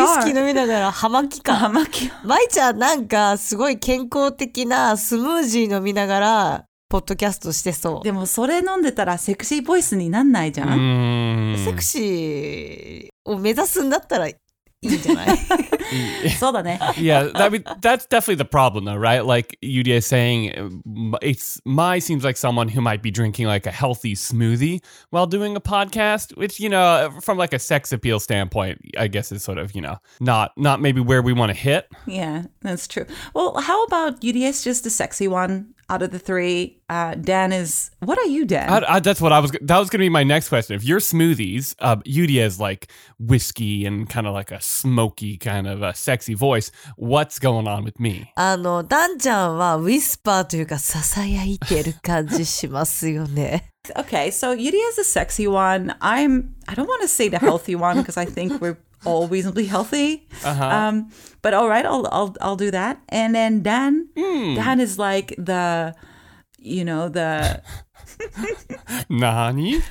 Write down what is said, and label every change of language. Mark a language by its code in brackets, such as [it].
[ja] ウイスキー飲みながらハマキか。ハマキ。マイちゃんなんかすごい健康的なスムージー飲みながらポッドキャストしてそう。でもそれ飲んでたらセクシーボイスになんないじゃん。セクシーを目指すんだったら。そうだね。 [en] Yeah, I mean, that's definitely the problem though, right? Like Yurie is saying, Mai seems like someone who might be drinking like a healthy smoothie while doing a podcast, which, you know, from like a sex appeal standpoint, I guess is sort of, you know, not maybe where we want to hit. Yeah, that's true. Well, how about Yurie is just the sexy one out of the three? Dan is, what are you, Dan? That was going to be my next question. If you're smoothies, Yurie is like whiskey and kind of like a smoky kind of a sexy voice. What's going on with me? [ja] Dan ちゃんはウィスパーというかささやいてる感じしますよね。 [en] Okay, so Yurie is a sexy one. I don't want to say the healthy one because I think we're all reasonably healthy. Uh-huh. But all right, I'll do that. And then Dan, Dan is like the... You know, the... [ja] Nani?